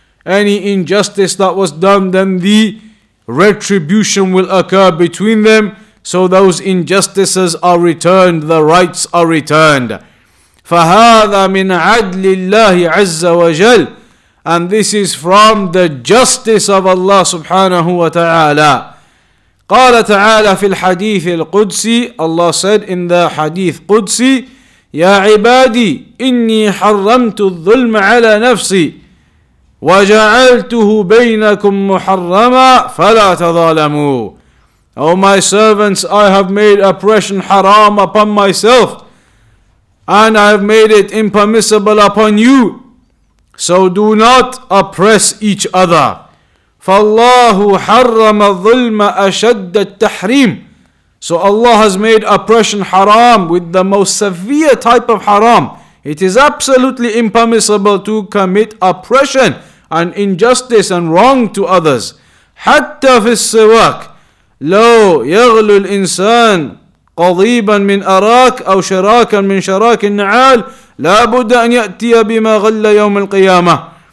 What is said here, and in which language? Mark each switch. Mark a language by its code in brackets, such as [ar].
[en] Any injustice that was done, then the retribution will occur between them. So those injustices are returned, the rights are returned. [ar] فَهَذَا مِنْ عَدْلِ اللَّهِ عَزَّ وَجَلَّ. [en] And this is from the justice of Allah subhanahu wa ta'ala. [ar] قال تعالى في الحديث القدسي الله [en] said in the hadith [ar] قدسي يا عبادي إني حرمت الظلم على نفسي وجعلته بينكم محرما فلا تظالموا. [en] O my servants, I have made oppression haram upon myself, and I have made it impermissible upon you. So do not oppress each other. [ar] فَاللَّهُ حَرَّمَ الظُّلْمَ أَشَدَّ التَّحْرِيمِ. [en] So Allah has made oppression haram with the most severe type of haram. It is absolutely impermissible to commit oppression and injustice and wrong to others. [ar] حَتَّى فِي السِّوَاكِ لَوْ يَغْلُ الْإِنسَانِ قَضِيبًا مِنْ أَرَاكِ أَوْ شَرَاكًا مِنْ شَرَاكِ النَّعَالِ لَا بُدَّ أَنْ يَأْتِيَ بِمَا غَلَّ يَوْمِ الْقِيَامَةِ.